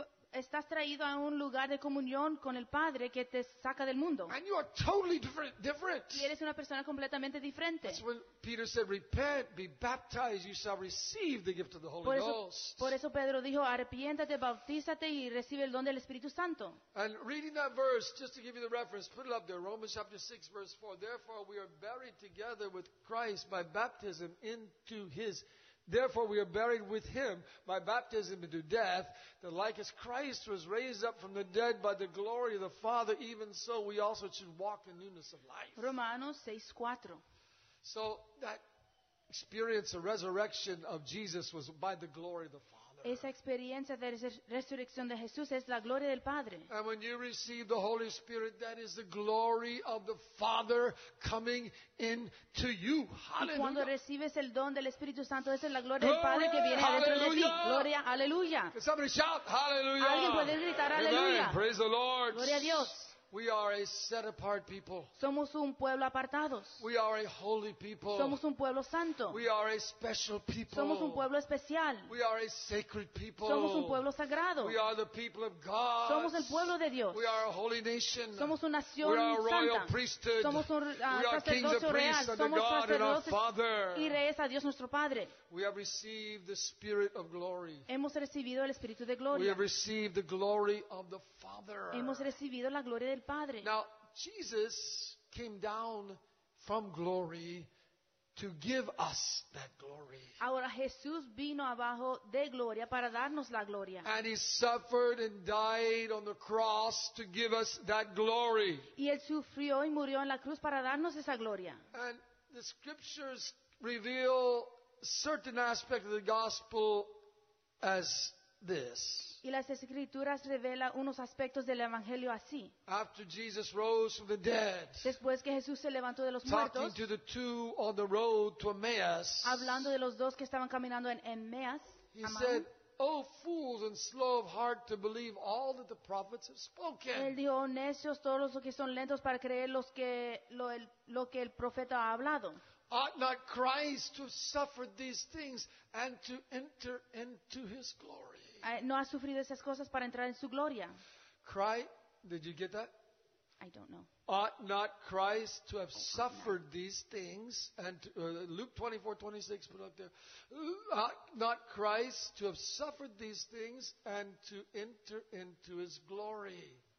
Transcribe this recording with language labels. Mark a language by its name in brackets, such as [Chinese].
[Spanish] Estás traído a un lugar de comunión con el Padre que te saca del mundo. [English] And you are totally different. [Spanish] Y eres una persona completamente diferente. [English] That's when Peter said, "Repent, be baptized, you shall receive the gift of the Holy Ghost." [Spanish] Por eso Pedro dijo, arrepiéntate, bautízate y recibe el don del Espíritu Santo. [English] And reading that verse, just to give you the reference, put it up there, Romans chapter 6, verse 4. Therefore we are buried together with Christ by baptism into his Therefore, we are buried with him by baptism into death, that like as Christ was raised up from the dead by the glory of the Father, even so we also should walk in newness of life. [Spanish] Romanos 6:4. [English] So that experience of resurrection of Jesus was by the glory of the Father. [Spanish] Esa experiencia de resurrección de Jesús es la gloria del Padre. [English] And when you receive the Holy Spirit, that is the glory of the Father coming into you. Hallelujah. [Spanish] Y cuando recibes el don del Espíritu Santo, esa es la gloria del Padre que viene dentro de ti. Gloria, aleluya. [English] Can somebody shout hallelujah? [Spanish] Alguien puede gritar aleluya. [English] Amen. Praise the Lord. [Spanish] Gloria a Dios. [English] We are a set apart people. [Spanish] Somos un pueblo apartados. [English] We are a holy people. [Spanish] Somos un pueblo santo. [English] We are a special people. [Spanish] Somos un pueblo especial. [English] We are a sacred people. [Spanish] Somos un pueblo sagrado. [English] We are the people of God. [Spanish] Somos el pueblo de Dios. [English] We are a holy nation. [Spanish] Somos una nación santa. [English] We are a royal priesthood. [Spanish] Somos un sacerdocio real. Somos sacerdotes [English] Father. [Spanish] Y reyes a Dios nuestro Padre. [English] We have received the Spirit of glory. [Spanish] Hemos recibido el Espíritu de gloria. [English] We have received the glory of the Father. [Spanish] Hemos recibido la gloria del Padre. [English] Now, Jesus came down from glory to give us that glory. [Spanish] Ahora Jesús vino abajo de gloria para darnos la gloria. [English] And he suffered and died on the cross to give us that glory. [Spanish] Y él sufrió y murió en la cruz para darnos esa gloria. [English] And the scriptures reveal certain aspect of the gospel as this. [Spanish] Y las escrituras revelan unos aspectos del evangelio así. [English] After Jesus rose from the dead, [Spanish] después que Jesús se levantó de los muertos, [English] talking to the two on the road to Emmaus, [Spanish] hablando de los dos que estaban caminando en Emmaus, [English] he said, "Oh fools and slow of heart to believe all that the prophets have spoken." [Spanish] Él dijo, "Oh necios, todos los que son lentos para creer lo que el profeta ha hablado." [English] Ought not Christ to suffer these things and to enter into his glory? [Spanish] ¿No ha sufrido esas cosas para entrar en su gloria? [English] Christ, did you get that? I don't know. Ought not Christ to have suffered these things? And Luke 24:26, put it up there. Ought not Christ to have suffered these things and to enter into his glory?